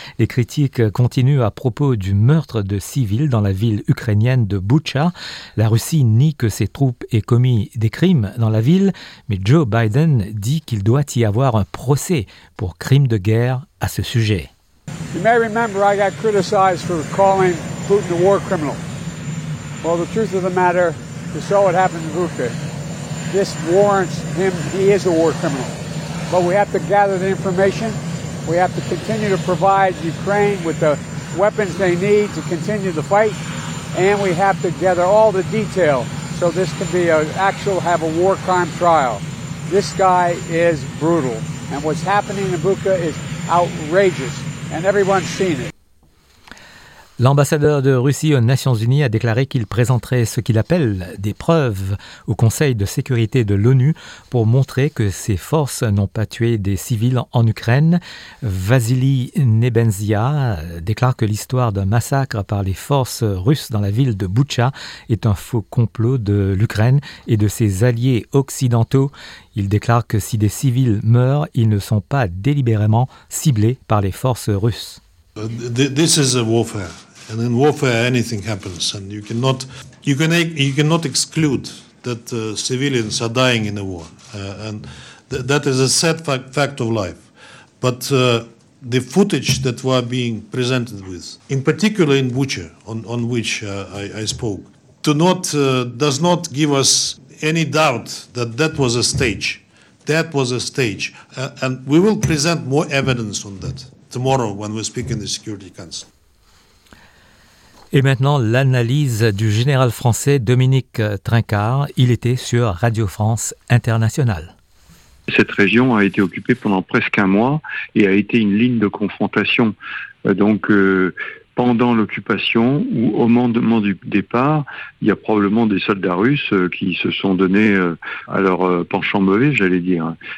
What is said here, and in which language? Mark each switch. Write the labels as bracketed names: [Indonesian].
[French] Les critiques continuent à propos du meurtre de civils dans la ville ukrainienne de Boutcha. La Russie nie que ses troupes aient commis des crimes dans la ville, mais Joe Biden dit qu'il doit y avoir un procès pour crime de guerre à ce sujet. [English] You may remember I got criticized for calling Putin a war criminal. Well, the truth of the matter is so what happened in Bucha. This warrants him, he is a war criminal. But we have to gather the information. We have to continue to provide Ukraine with the weapons they need to continue the fight. And we have to gather all the detail so this can be an actual, have a war crime trial. This guy is brutal. And what's happening in Bucha is outrageous. And everyone's seen it. [French] L'ambassadeur de Russie aux Nations Unies a déclaré qu'il présenterait ce qu'il appelle des preuves au Conseil de sécurité de l'ONU pour montrer que ses forces n'ont pas tué des civils en Ukraine. Vasily Nebenzia déclare que l'histoire d'un massacre par les forces russes dans la ville de Boutcha est un faux complot de l'Ukraine et de ses alliés occidentaux. Il déclare que si des civils meurent, ils ne sont pas délibérément ciblés par les forces russes. [English] This is a warfare, and in warfare anything happens, and you cannot exclude that civilians are dying in a war, and that is a sad fact of life. But the footage that we are being presented with, in particular in Bucha, on which I spoke, does not give us any doubt that that was a stage. That was a stage, and we will present more evidence on that. Tomorrow, when we speak in the Security Council. [French] Et maintenant, l'analyse du général français Dominique Trinquart. Il était sur Radio France Internationale. Cette région a été occupée pendant presque un mois et a été une ligne de confrontation. Donc, pendant l'occupation ou au moment du départ, il y a probablement des soldats russes qui se sont donnés à leur penchant mauvais, j'allais dire.